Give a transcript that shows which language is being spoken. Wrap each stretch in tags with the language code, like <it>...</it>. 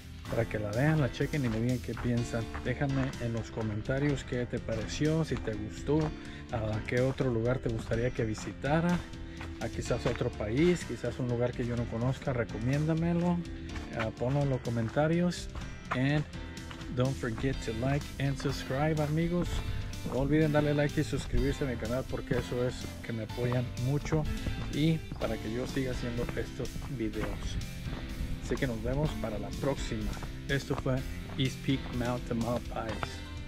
<es>Para que la vean, la chequen y me digan qué piensan. Déjame en los comentarios qué te pareció, si te gustó, a qué otro lugar te gustaría que visitara, a quizás otro país, quizás un lugar que yo no conozca, recomiéndamelo, ponlo en los comentarios.</es> <en>And don't forget to like and subscribe, amigos.</en> <es>No olviden darle like y suscribirse a mi canal porque eso es que me apoyan mucho y para que yo siga haciendo estos videos. Así que nos vemos para la próxima. Esto fue East Peak Mount Tamalpais.</es>